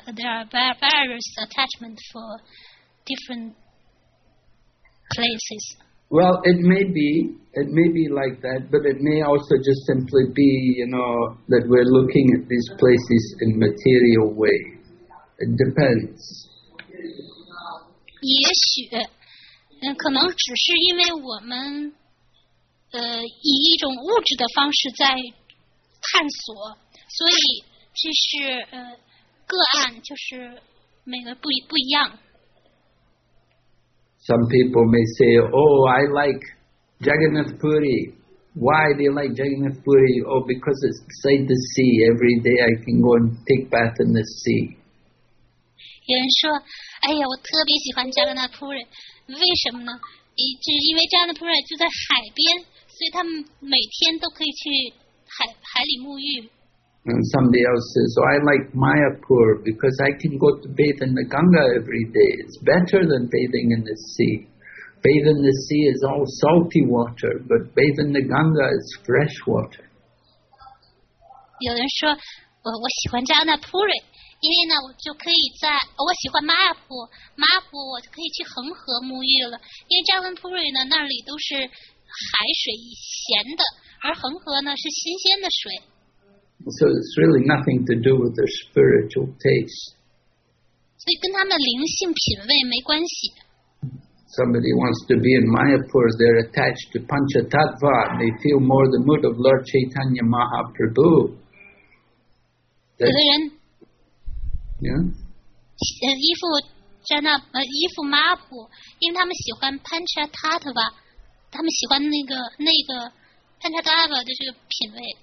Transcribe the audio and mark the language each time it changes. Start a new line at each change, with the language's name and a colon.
English: There are various attachments for different places. Well, it may be like that, but it may also just simply be, that we're looking at these places in a material way. It depends.
Chinese: 也许，可能只是因为我们，以一种物质的方式在探索，所以这是个案，就是每个不一样。
English: Some people may say, oh, I like Jagannath Puri. Why do you like Jagannath Puri? Oh, because it's beside the sea. Every day I can go and take bath in the sea.
Chinese: 有人说，哎呀，我特别喜欢 Jagannath Puri. 为什么呢？因为扎纳普拉住在海边，所以他们每天都可以去 海里沐浴。
English: And somebody else says, so I like Mayapur because I can go to bathe in the Ganga every day. It's better than bathing in the sea. Bathe in the sea is all salty water, but bathe in the Ganga is fresh water.
Chinese: 有人说 我喜欢扎纳普瑞，因为呢我就可以在，我喜欢马亚普，我可以去恒河沐浴了，因为扎纳普瑞呢那里都是海水咸的，而恒河呢是新鲜的水。
English: So it's really nothing to do with their spiritual taste.
Chinese: 所以跟他们灵性品味没关系。
English: Somebody wants to be in Mayapur, they're attached to Panchatattva. They feel more the mood of Lord Chaitanya Mahaprabhu.
Chinese: 有的人
English: Yeah?
Chinese: 依附扎纳，依附马亚普，因为他们喜欢 Panchatattva, 他们喜欢那个 Panchatattva 的这个品味。